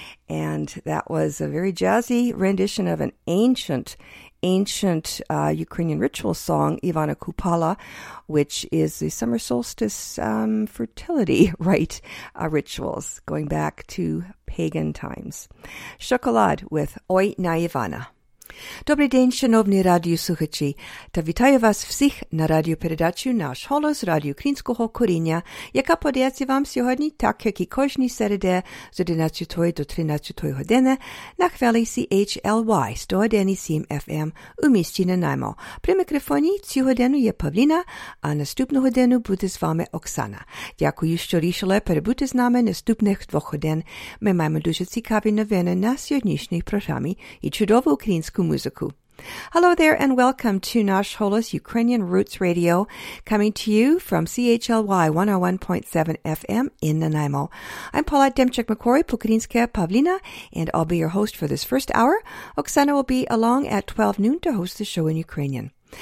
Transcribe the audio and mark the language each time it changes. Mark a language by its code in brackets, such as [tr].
[en] And that was a very jazzy rendition of an ancient Ukrainian ritual song, Ivana Kupala, which is the summer solstice fertility rite rituals going back to pagan times. Chocolade with Oi na Ivana. [uk] Добрий день, шановні радіослухачі, та вітаю вас всіх на радіопередачі «Наш голос» Радіо Українського коріння, яка подається вам сьогодні, так як і кожні середи з 11 до 13 години на хвилі CHLY 101.7 FM у місті Нанаймо. При мікрофоні цю годину є Павліна, а наступну годину буде з вами Оксана. Дякую, що рішили перебути з нами наступних двох годин. Ми маємо дуже цікаві новини на сьогоднішній програмі і чудову українську. [en] Hello there and welcome to Nash Holos Ukrainian Roots Radio, coming to you from CHLY 101.7 FM in Nanaimo. I'm Paulette Demchuk-McCory, Pukadinska Pavlina, and I'll be your host for this first hour. Oksana will be along at 12 noon to host the show in Ukrainian.